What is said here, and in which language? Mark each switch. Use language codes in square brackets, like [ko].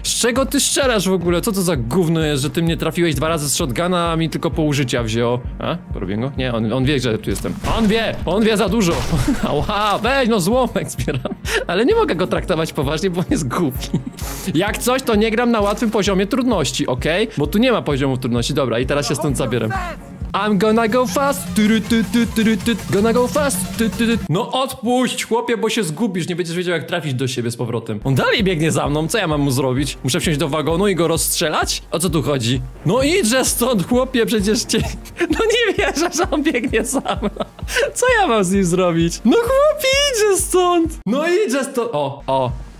[pl] Z czego ty strzelasz w ogóle? Co to za gówno jest, że ty mnie trafiłeś dwa razy z shotguna, a mi tylko pół życia wziął? A? Porobię go? Nie, on wie, że tu jestem. On wie za dużo! Ała, weź, no złomek zbieram! Ale nie mogę go traktować poważnie, bo on jest głupi. Jak coś, to nie gram na łatwym poziomie trudności, okej? Okay? Bo tu nie ma poziomu trudności, dobra, i teraz się stąd zabiorę. [en] I'm gonna go fast, gonna go fast. [pl] No odpuść, chłopie, bo się zgubisz, nie będziesz wiedział, jak trafić do siebie z powrotem. On dalej biegnie za mną, co ja mam mu zrobić? Muszę wsiąść do wagonu i go rozstrzelać? O co tu chodzi? No idźże stąd, chłopie, przecież cię... No nie wierzę, że on biegnie za mną. Co ja mam z nim zrobić? No chłopie, idźże stąd. No idźże stąd. O, o.